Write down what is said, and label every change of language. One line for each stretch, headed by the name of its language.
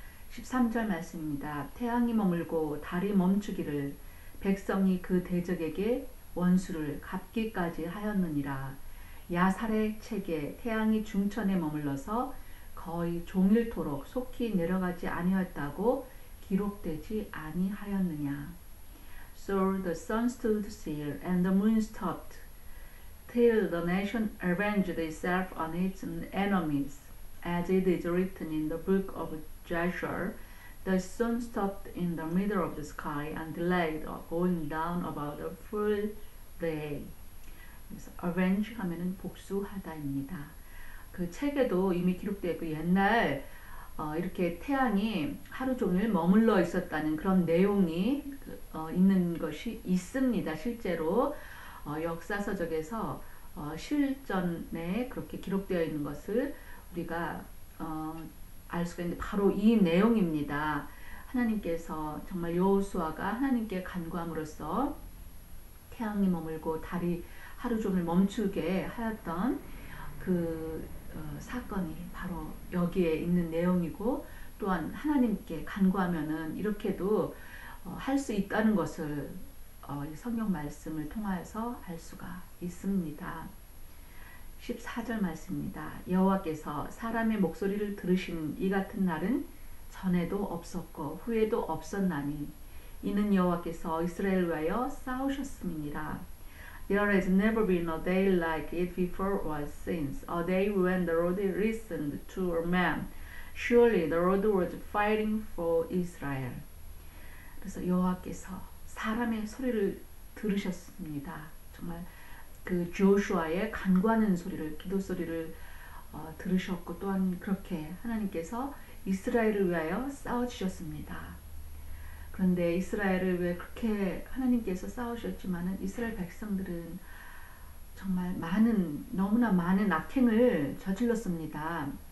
Korean: 13절 말씀입니다. 태양이 머물고 달이 멈추기를 백성이 그 대적에게 원수를 갚기까지 하였느니라. 야살의 책에 태양이 중천에 머물러서 거의 종일토록 속히 내려가지 아니었다고 기록되지 아니하였느냐.
English: So the sun stood still and the moon stopped till the nation avenged itself on its enemies, as it is written in the book of Joshua. The sun stopped in the middle of the sky and delayed going down about a full day.
Korean: Avenge 하면은 복수하다입니다. 그 책에도 이미 기록되고 옛날 이렇게 태양이 하루 종일 머물러 있었다는 그런 내용이 있는 것이 있습니다. 실제로 역사서적에서 실전에 그렇게 기록되어 있는 것을 우리가 알 수가 있는데 바로 이 내용입니다. 하나님께서 정말 여호수아가 하나님께 간구함으로써 태양이 머물고 달이 하루 종일 멈추게 하였던 그 사건이 바로 여기에 있는 내용이고 또한 하나님께 간구하면은 이렇게도 할 수 있다는 것을 성경 말씀을 통하여서 알 수가 있습니다. 14절 말씀입니다. 여호와께서 사람의 목소리를 들으신 이 같은 날은 전에도 없었고 후에도 없었나니 이는 여호와께서 이스라엘을 위하여 싸우셨음이니라.
English: There has never been a day like it before or since, a day when the Lord listened to a man. Surely the Lord was fighting for Israel.
Korean: 그래서 여호와께서 사람의 소리를 들으셨습니다. 정말 그 조슈아의 간구하는 소리를, 기도 소리를 들으셨고 또한 그렇게 하나님께서 이스라엘을 위하여 싸워주셨습니다. 그런데 이스라엘을 왜 그렇게 하나님께서 싸우셨지만은 이스라엘 백성들은 정말 너무나 많은 악행을 저질렀습니다.